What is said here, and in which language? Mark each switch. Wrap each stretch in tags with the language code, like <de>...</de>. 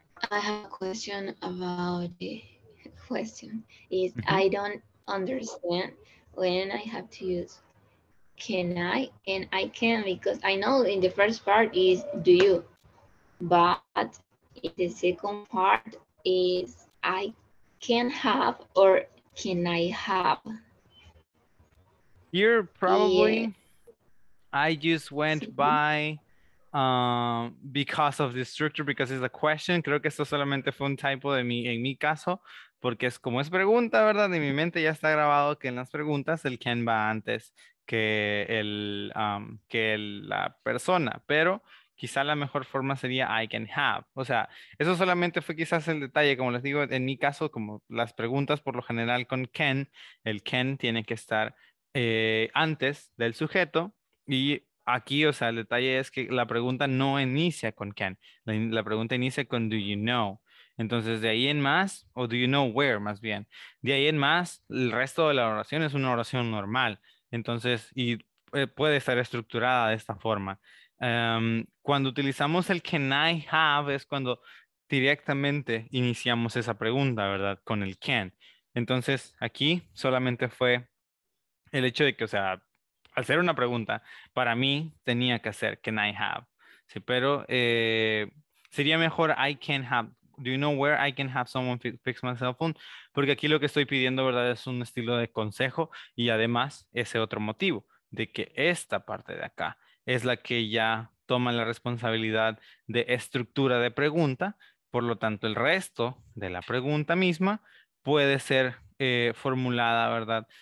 <en>I have a question about the question is I don't understand when I have to use can I and I can, because I know in the first part is do you, but in the second part is I can have or can I have. You're probably I just went by because of the structure, because it's a question.</en> <es>Creo que esto solamente fue un typo de mí, en mi caso, porque es como es pregunta, ¿verdad? En mi mente ya está grabado que en las preguntas el can va antes que la persona, pero quizá la mejor forma sería</es> <en>I can have.</en> <es>O sea, eso solamente fue quizás el detalle, como les digo, en mi caso, como las preguntas por lo general con can, el can tiene que estar antes del sujeto y aquí, o sea, el detalle es que la pregunta no inicia con can. La pregunta inicia con</es> <en>do you know.</en> <es>Entonces, de ahí en más, o</es> <en>do you know where,</en> <es>más bien. De ahí en más, el resto de la oración es una oración normal. Entonces, y puede estar estructurada de esta forma. Cuando utilizamos el</es> <en>can I have,</en> <es>es cuando directamente iniciamos esa pregunta, ¿verdad? Con el can. Entonces, aquí solamente fue el hecho de que, o sea, al ser una pregunta, para mí tenía que hacer</es> <en>can I have.</en> <es>Sí, pero sería mejor</es> <en>I can have. Do you know where I can have someone fix my cell phone?</en> <es>Porque aquí lo que estoy pidiendo, ¿verdad? Es un estilo de consejo y además ese otro motivo de que esta parte de acá es la que ya toma la responsabilidad de estructura de pregunta. Por lo tanto, el resto de la pregunta misma puede ser formulada, ¿verdad?</es>